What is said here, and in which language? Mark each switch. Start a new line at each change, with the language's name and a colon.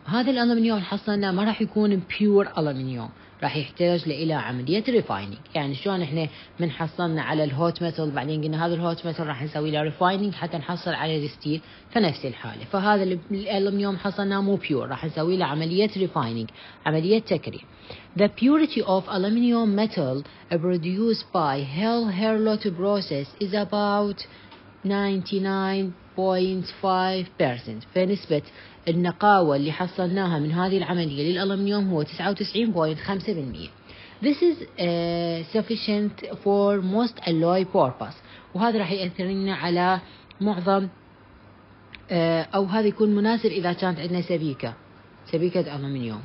Arabic: هذا الألومنيوم حصلنا ما راح يكون بيور ألومنيوم، راح يحتاج إلى عملية ريفايننج. يعني شلون احنا من حصلنا على الهوت ميتال بعدين قلنا هذا الهوت ميتال راح نسوي له ريفايننج حتى نحصل على الستيل، فنفس الحالة. فهذا الألومنيوم حصلنا مو بيور، راح نسوي له عملية ريفايننج، عملية تكريم.
English: The purity of aluminium metal produced by Hall-Hirlot process is about 99.5%.
Arabic: فنسبة النقاوة اللي حصلناها من هذه العملية للألومنيوم هو 99.5%.
English: This is sufficient for most alloy purpose،
Arabic: وهذا راح يأثر لنا على معظم أو هذا يكون مناسب إذا كانت عندنا سبيكة، سبيكة ألومنيوم.